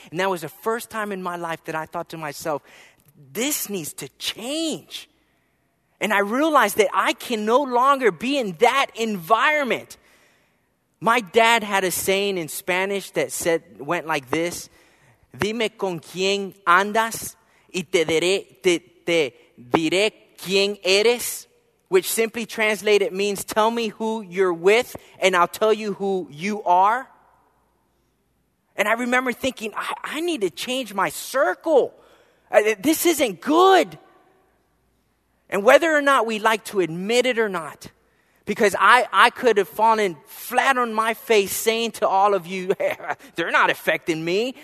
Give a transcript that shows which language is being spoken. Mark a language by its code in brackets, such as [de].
[en] And that was the first time in my life that I thought to myself, this needs to change. And I realized that I can no longer be in that environment. My dad had a saying in Spanish that said, went like this. [es] Dime con quién andas y te diré quién eres. [en] Which simply translated means, tell me who you're with and I'll tell you who you are. And I remember thinking, I need to change my circle. This isn't good. And whether or not we like to admit it or not, because I could have fallen flat on my face saying to all of you, they're not affecting me.